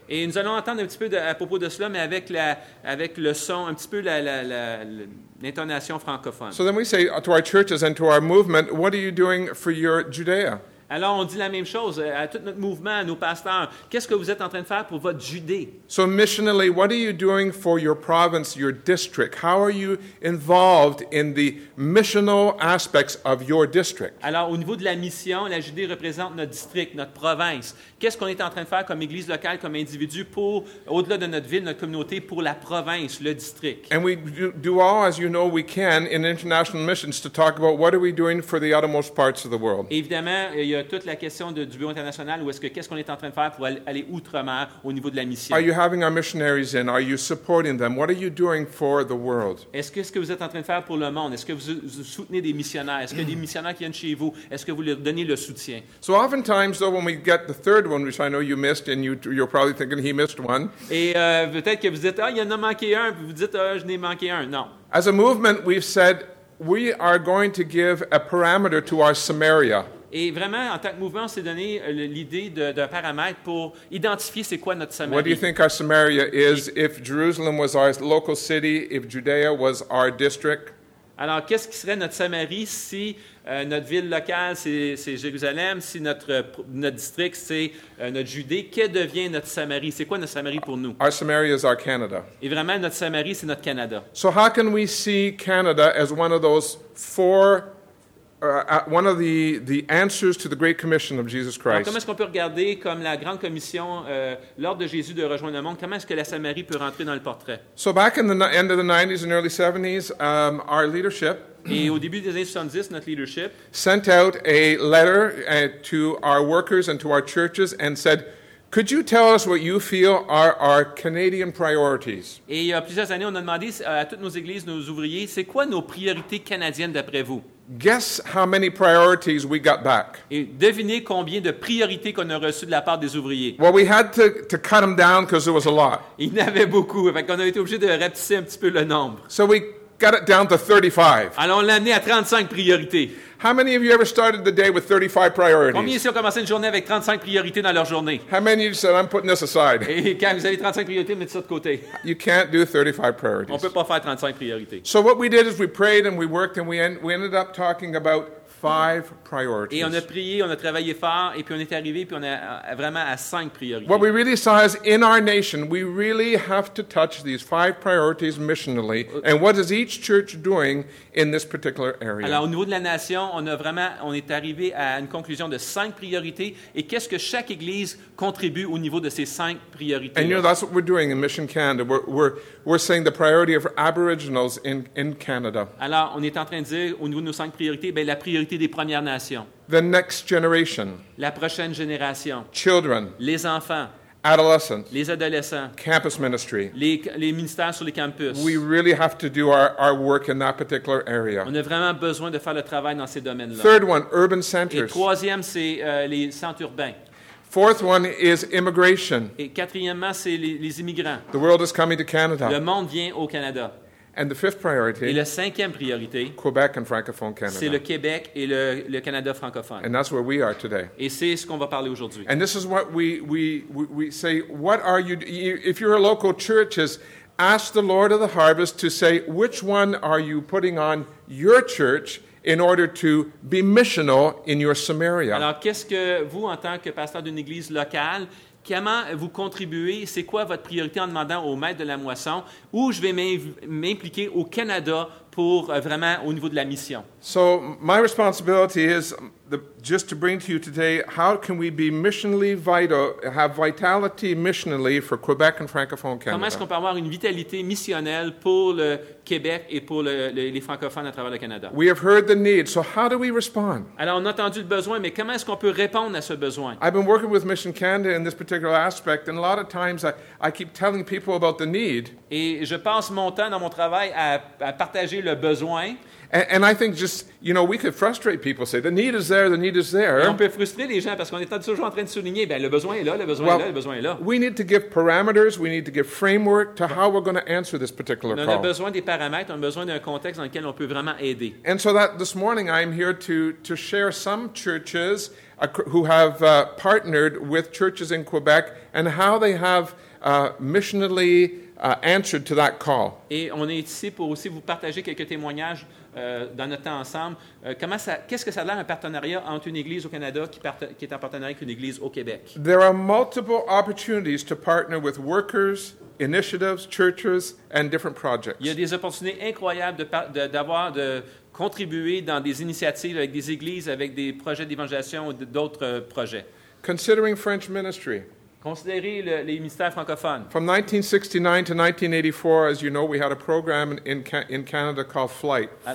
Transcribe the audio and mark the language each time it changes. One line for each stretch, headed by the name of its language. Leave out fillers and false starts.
French: Et nous allons entendre un petit peu à propos de cela, mais avec le son, un petit peu l'intonation francophone.
English: So then we say to our churches and to our movement, what are you doing for your Judea?
French: Alors on dit la même chose à tout notre mouvement, à nos pasteurs. Qu'est-ce que vous êtes en train de faire pour votre Judée?
English: So missionally, what are you doing for your province, your district? How are you involved in the missional aspects of your district?
French: Alors au niveau de la mission, la Judée représente notre district, notre province. Qu'est-ce qu'on est en train de faire comme église locale, comme individu pour au-delà de notre ville, notre communauté, pour la province, le district?
English: And we do all, as you know, we can in international missions to talk about what are we doing for the outermost parts of the world.
French: Évidemment, il y a toute la question du bureau international, où est-ce que qu'est-ce qu'on est en train de faire pour aller outre-mer au niveau de la mission?
English: Are you having our missionaries in? Are you supporting them? What are you doing for the world?
French: Est-ce que ce que vous êtes en train de faire pour le monde? Est-ce que vous soutenez des missionnaires? Est-ce que des missionnaires qui viennent chez vous? Est-ce que vous leur donnez le soutien?
English: So oftentimes, though, when we get the third one, which I know you missed, and you're probably thinking he missed one.
French: Et peut-être que vous dites, il y en a manqué un, puis vous dites, je n'ai manqué un. Non.
English: As a movement, we've said we are going to give a parameter to our Samaria.
French: Et vraiment, en tant que mouvement, on s'est donné l'idée d'un paramètre pour identifier c'est quoi notre Samaria.
English: What do you think our Samaria is if Jerusalem was our local city, if Judea was our district?
French: Alors, qu'est-ce qui serait notre Samarie si notre ville locale, c'est Jérusalem, si notre district, c'est notre Judée? Que devient notre Samarie? C'est quoi notre Samarie pour nous?
English: Our Samaria is our Canada.
French: Et vraiment, notre Samarie, c'est notre Canada.
English: So how can we see Canada as one of those four one of the answers to the Great Commission of Jesus Christ.
French: Alors, comment est-ce qu'on peut regarder comme la grande commission lors de Jésus de rejoindre le monde? Comment est-ce que la Samarie peut rentrer dans le portrait?
English: So back in the end of the 90s and early 70s, our leadership.
French: Et au début des années 70, notre leadership
English: sent out a letter to our workers and to our churches and said, could you tell us what you feel are our Canadian priorities?
French: Et il y a plusieurs années, on a demandé à toutes nos églises, nos ouvriers, c'est quoi nos priorités canadiennes d'après vous?
English: Guess how many priorities we got back.
French: Et devinez combien de priorités qu'on a reçues de la part des ouvriers.
English: Well, we had to cut them down because there was a lot.
French: Il y en avait beaucoup, fait qu'on a été obligé de rapetisser un petit peu le nombre.
English: So we got it down to 35.
French: Alors, on l'a amené à 35 priorités.
English: How many of you ever started the day with 35 priorities?
French: Combien ici ont commencé une journée avec 35 priorités dans leur journée?
English: How many of you said, I'm putting this aside?
French: Et quand vous avez 35 priorités, mettez ça de côté.
English: You can't do 35 priorities.
French: On ne peut pas faire 35 priorités.
English: So what we did is we prayed and we worked and we ended up talking about five priorities.
French: Et on a prié, on a travaillé fort, et puis on est arrivé, puis on est vraiment à cinq priorités.
English: What we really saw is in our nation, we really have to touch these five priorities missionally, and what is each church doing in this particular area?
French: Alors, au niveau de la nation, on est arrivé à une conclusion de cinq priorités, et qu'est-ce que chaque église contribue au niveau de ces cinq priorités?
English: And you know, that's what we're doing in Mission Canada. We're saying the priority of Aboriginals in Canada.
French: Alors, on est en train de dire, au niveau de nos cinq priorités, bien, la priorité des Premières Nations.
English: The next generation.
French: La prochaine génération.
English: Children.
French: Les enfants.
English: Adolescents.
French: Les adolescents.
English: Campus ministry.
French: Les ministères sur les campus.
English: We really have to do our work in that particular area.
French: On a vraiment besoin de faire le travail dans ces domaines-là.
English: Third one, urban centers.
French: Et troisième, c'est les centres urbains.
English: Fourth one is immigration.
French: Et quatrièmement, c'est les immigrants.
English: The world is coming to Canada.
French: Le monde vient au Canada.
English: And the fifth priority,
French: et la cinquième priorité,
English: Quebec and francophone Canada.
French: C'est le Québec et le Canada francophone.
English: And that's where we are today.
French: Et c'est ce qu'on va parler aujourd'hui.
English: And this is what we say, what are you, if you're a local church, is ask the Lord of the harvest to say, which one are you putting on your church in order to be missional in your Samaria?
French: Alors, qu'est-ce que vous, en tant que pasteur d'une église locale, comment vous contribuez? C'est quoi votre priorité en demandant au maître de la moisson où je vais m'impliquer au Canada pour vraiment au niveau de la mission?
English: So my responsibility is just to bring to you today how can we be missionally vital, have vitality missionally for Quebec and francophone Canada.
French: Comment est-ce qu'on peut avoir une vitalité missionnelle pour le Québec et pour les francophones à travers le Canada?
English: We have heard the need, so how do we respond?
French: Alors on a entendu le besoin, mais comment est-ce qu'on peut répondre à ce besoin?
English: I've been working with Mission Canada in this particular aspect, and a lot of times I keep telling people about the need.
French: Et je passe mon temps dans mon travail à partager le besoin.
English: And I think just, you know, we could frustrate people, say, the need is there, the need is there.
French: Et on peut frustrer les gens parce qu'on est toujours en train de souligner, bien, le besoin est là, le besoin
English: well,
French: est là, le besoin est là.
English: We need to give parameters, we need to give framework to how we're going to answer this particular call.
French: On a besoin des paramètres, on a besoin d'un contexte dans lequel on peut vraiment aider.
English: And so that this morning I'm here to share some churches who have partnered with churches in Quebec and how they have missionally answered to that call.
French: Et on est ici pour aussi vous partager quelques témoignages dans notre temps ensemble. Comment ça, qu'est-ce que ça a l'air un partenariat entre une église au Canada qui est en partenariat avec une église au Québec?
English: There are multiple opportunities to partner with workers, initiatives, churches, and different projects.
French: Il y a des opportunités incroyables de contribuer dans des initiatives avec des églises, avec des projets d'évangélisation ou d'autres projets.
English: Considering French ministry.
French: Considérez les ministères francophones.
English: From 1969 to 1984, as you know, we had a program in Canada called Flight.